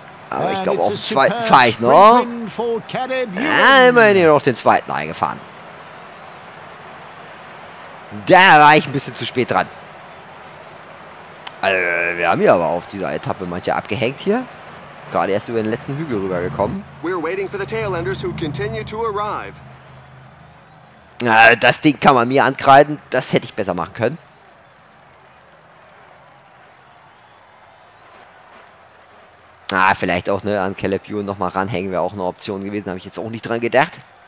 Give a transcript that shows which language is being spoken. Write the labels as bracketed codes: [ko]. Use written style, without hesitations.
[de] Aber ich glaube, auf den zweiten fahre ich noch. Ja, immerhin noch den zweiten eingefahren. Da war ich ein bisschen zu spät dran. Also, wir haben hier aber auf dieser Etappe manche abgehängt hier. Gerade erst über den letzten Hügel rübergekommen. [en] We're waiting for the tail-enders who continue to arrive. [de] Na, das Ding kann man mir ankreiden. Das hätte ich besser machen können. Ah, vielleicht auch, ne, an Caleb Ewan nochmal ranhängen wäre auch eine Option gewesen, habe ich jetzt auch nicht dran gedacht.